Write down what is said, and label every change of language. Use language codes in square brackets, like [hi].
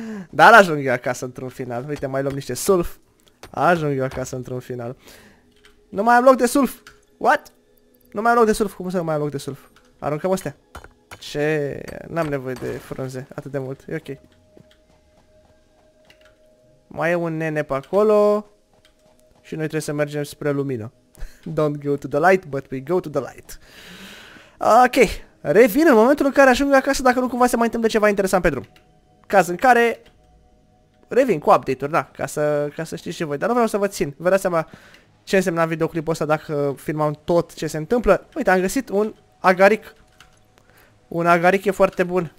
[ro] Dar ajung eu acasă într-un final. Uite, mai luăm niște sulf. Ajung eu acasă într-un final. Nu mai am loc de sulf. What? Nu mai am loc de sulf. Cum să nu mai am loc de sulf? Aruncăm astea. Ce? N-am nevoie de frunze atât de mult. E ok. Mai e un nene pe acolo. Și noi trebuie să mergem spre lumină. [en] Don't go to the light, but we go to the light. Ok. [ro] Revin în momentul în care ajung acasă, dacă nu cumva se mai întâmplă ceva interesant pe drum. Caz în care revin cu update-uri, da, ca să știți și voi. Dar nu vreau să vă țin. Vă dați seama ce însemna videoclipul ăsta dacă filmam tot ce se întâmplă. Uite, am găsit un agaric. Un agaric e foarte bun.